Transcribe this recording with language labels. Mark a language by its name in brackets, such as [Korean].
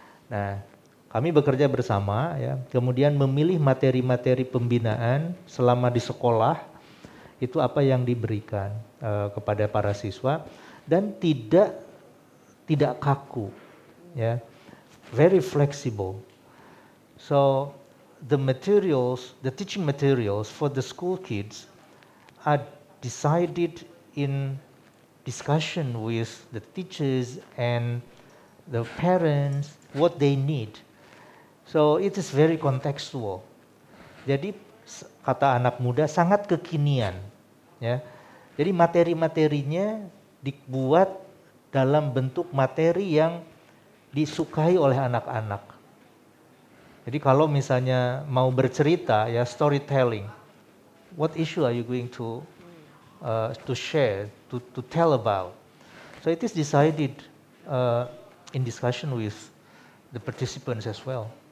[Indonesian] Nah, kami bekerja bersama, ya, kemudian memilih materi-materi pembinaan selama di sekolah itu apa yang diberikan kepada para siswa, dan tidak kaku, ya, [English] very flexible. So the materials, the teaching materials for the school kids are decided in discussion with the teachers and the parents, what they need. So it is very contextual. [Indonesian] Jadi kata anak muda sangat kekinian, ya. Jadi materi-materinya dibuat dalam bentuk materi yang disukai oleh anak-anak. Jadi kalau misalnya mau bercerita, ya, [English] storytelling, what issue are you going to share, to tell about? So it is decided in discussion with the participants as well.